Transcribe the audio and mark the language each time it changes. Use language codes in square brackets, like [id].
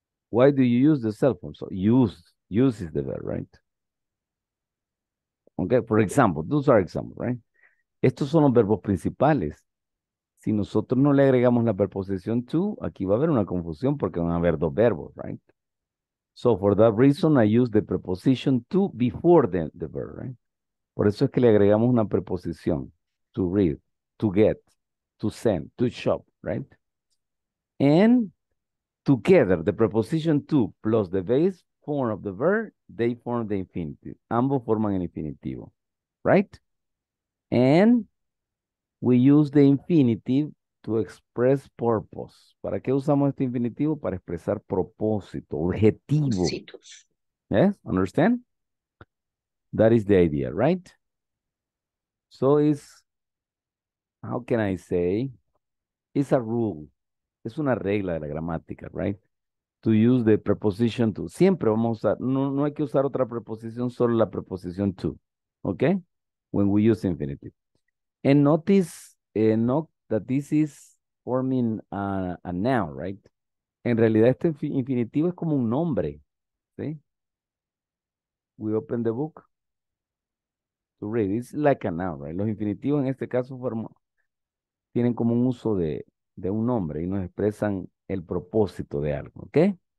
[en] Why do you use the cell phone? So use is the verb, right? Okay, for example, those are examples, right? [es] Estos son los verbos principales. Si nosotros no le agregamos la preposición to, aquí va a haber una confusión porque van a haber dos verbos, right? [en] So for that reason, I use the preposition to before the verb, right? [es] Por eso es que le agregamos una preposición. [en] To read, to get, to send, to shop, right? And together, the preposition to plus the base form of the verb, they form the infinitive. [es] Ambos forman el infinitivo, [en] right? And we use the infinitive to express purpose. [es] ¿Para qué usamos este infinitivo? Para expresar propósito, objetivo. [en] Yes, understand? That is the idea, right? So it's, how can I say? It's a rule. [es] Es una regla de la gramática, right? [en] To use the preposition to. [es] Siempre vamos a usar, no hay que usar otra preposición, solo la preposición to. [en] Okay? When we use infinitive. And note that this is forming a noun, right? [es] En realidad, este infinitivo es como un nombre. ¿Sí? [en] We open the book to read. It's like a noun, right? [es] Los infinitivos en este caso tienen como un uso de un nombre y nos expresan el propósito de algo, ¿ok?